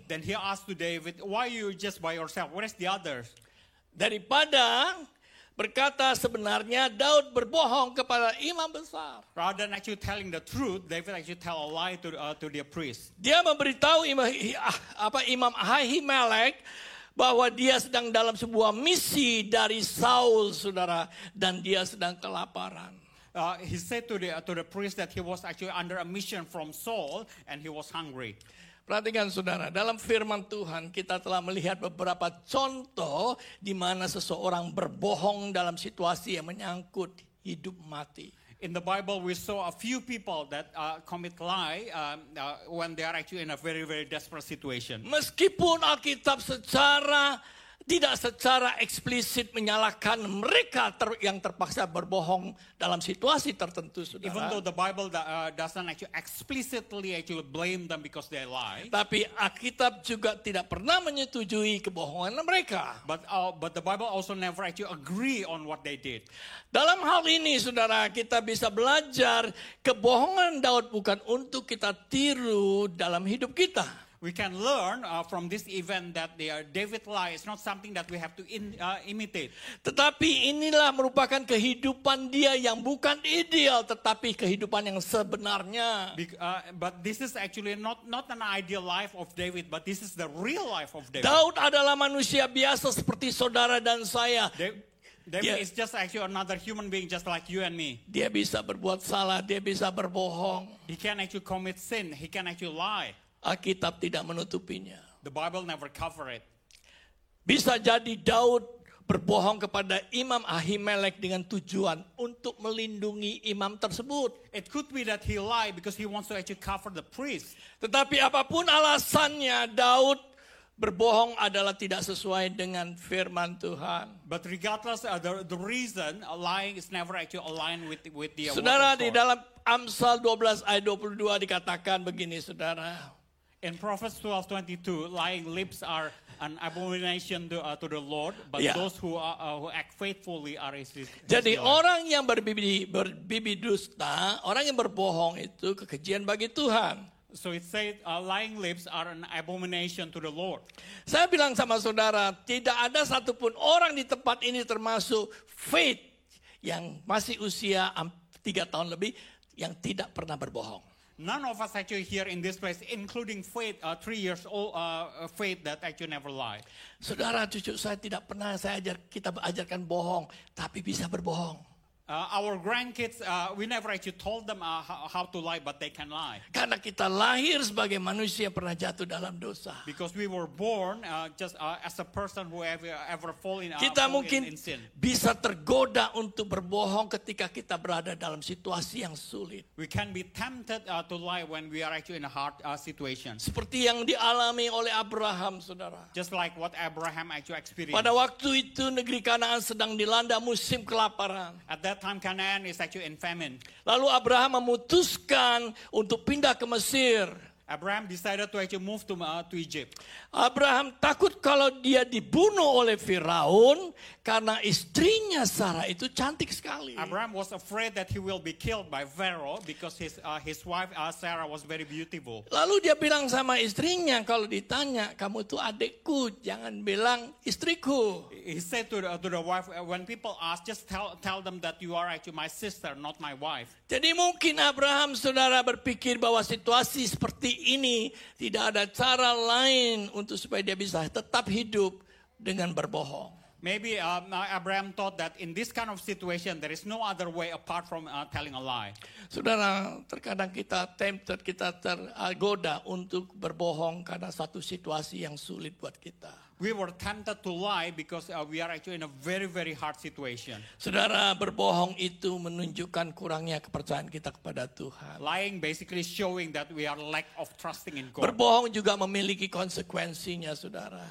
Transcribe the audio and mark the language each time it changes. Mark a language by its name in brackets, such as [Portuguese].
[English] Then he asked to David, "Why are you just by yourself? Where is the others?" [Indonesian] Daripada berkata sebenarnya Daud berbohong kepada imam besar. [English] Rather than actually telling the truth, David actually tell a lie to the priest. [Indonesian] Dia memberitahu imam Ahimelech bahwa dia sedang dalam sebuah misi dari Saul, saudara, dan dia sedang kelaparan. [English] He said to the priest that he was actually under a mission from Saul and he was hungry. [Indonesian] Perhatikan saudara, dalam firman Tuhan kita telah melihat beberapa contoh di mana seseorang berbohong dalam situasi yang menyangkut hidup mati. [English] In the Bible we saw a few people that commit lie when they are actually in a very very desperate situation. [Indonesian] Meskipun Alkitab tidak secara eksplisit menyalahkan mereka yang terpaksa berbohong dalam situasi tertentu, saudara. [English] Even though the Bible doesn't actually explicitly actually blame them because they lie. [Indonesian] Tapi Alkitab juga tidak pernah menyetujui kebohongan mereka. [English] But the Bible also never actually agree on what they did. [Indonesian] Dalam hal ini, saudara, kita bisa belajar kebohongan Daud bukan untuk kita tiru dalam hidup kita. [English] We can learn from this event that David lie is not something that we have to imitate. [Indonesian] Tetapi inilah merupakan kehidupan dia yang bukan ideal, tetapi kehidupan yang sebenarnya. [English] But this is actually not an ideal life of David, but this is the real life of David. [Indonesian] Daud adalah manusia biasa seperti saudara dan saya. [English] David is just actually another human being just like you and me. [Indonesian] Dia bisa berbuat salah, dia bisa berbohong. [English] He can actually commit sin, he can actually lie. [Indonesian] Alkitab tidak menutupinya. [English] The Bible never covered it. [Indonesian] Bisa jadi Daud berbohong kepada Imam Ahimelek dengan tujuan untuk melindungi imam tersebut. [English] It could be that he lied because he wants to actually cover the priest. [Indonesian] Tetapi apapun alasannya, Daud berbohong adalah tidak sesuai dengan firman Tuhan. [English] But regardless of the reason, lying is never actually aligned with the [Indonesian] Saudara di dalam Amsal 12 ayat 22 dikatakan begini, Saudara. [English] In Proverbs 12:22, lying lips are an abomination to the Lord, but yeah, those who act faithfully are his. [Indonesian] Jadi orang yang berbibi dusta, orang yang berbohong itu kekejian bagi Tuhan. [English] So it said, lying lips are an abomination to the Lord. [Indonesian] Saya bilang sama saudara, tidak ada satupun orang di tempat ini termasuk faith yang masih usia 3 tahun lebih yang tidak pernah berbohong. [English] None of us actually here in this place, including faith, 3 years old, faith that actually never lied. [Indonesian] Saudara, cucu saya tidak pernah kita ajarkan bohong, tapi bisa berbohong. [English] Our grandkids, we never actually told them how to lie, but they can lie. [Indonesian] Karena kita lahir sebagai manusia pernah jatuh dalam dosa. [English] Because we were born as a person who ever fallen in sin. [Indonesian] Kita mungkin bisa tergoda untuk berbohong ketika kita berada dalam situasi yang sulit. [English] We can be tempted to lie when we are actually in a hard situation. [Indonesian] Seperti yang dialami oleh Abraham, saudara. [English] Just like what Abraham actually experienced. [Indonesian] Pada waktu itu negeri Kanaan sedang dilanda musim kelaparan. [English] At that time, Canaan is actually in famine. [Indonesian] Lalu Abraham memutuskan untuk pindah ke Mesir. [English] Abraham decided to actually move to Egypt. [Indonesian] Abraham takut kalau dia dibunuh oleh Firaun karena istrinya Sarah itu cantik sekali. [English] Abraham was afraid that he will be killed by Pharaoh because his wife Sarah was very beautiful. [Indonesian] Lalu dia bilang sama istrinya, kalau ditanya, kamu itu adikku, jangan bilang istriku. [English] He said to the wife, when people ask, just tell them that you are actually my sister, not my wife. [Indonesian] Jadi mungkin Abraham saudara berpikir bahwa situasi seperti ini tidak ada cara lain untuk supaya dia bisa tetap hidup dengan berbohong. [English] Maybe Abraham thought that in this kind of situation there is no other way apart from telling a lie. [Indonesian] Saudara, terkadang kita tempted, kita tergoda untuk berbohong karena satu situasi yang sulit buat kita. [English] We were tempted to lie because we are actually in a very very hard situation. [Indonesian] Saudara, berbohong itu menunjukkan kurangnya kepercayaan kita kepada Tuhan. [English] Lying basically showing that we are lack of trusting in God. [Indonesian] Berbohong juga memiliki konsekuensinya, saudara.